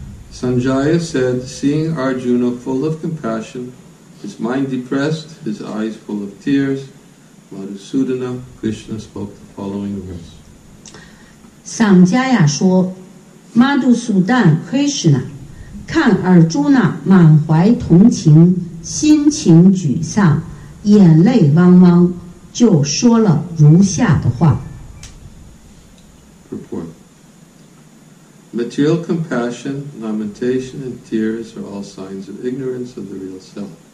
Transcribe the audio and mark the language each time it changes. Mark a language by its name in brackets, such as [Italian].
[English] Sanjaya said, seeing Arjuna full of compassion, his mind depressed, his eyes full of tears, Madhusudana, Krishna spoke the following words. [Chinese] Sanjaya 说 Madhusudana Krishna 看尔朱娜满怀同情,心情沮丧,眼泪汪汪,就说了如下的话. [English] Purport. Material compassion, lamentation, and tears are all signs of ignorance of the real self.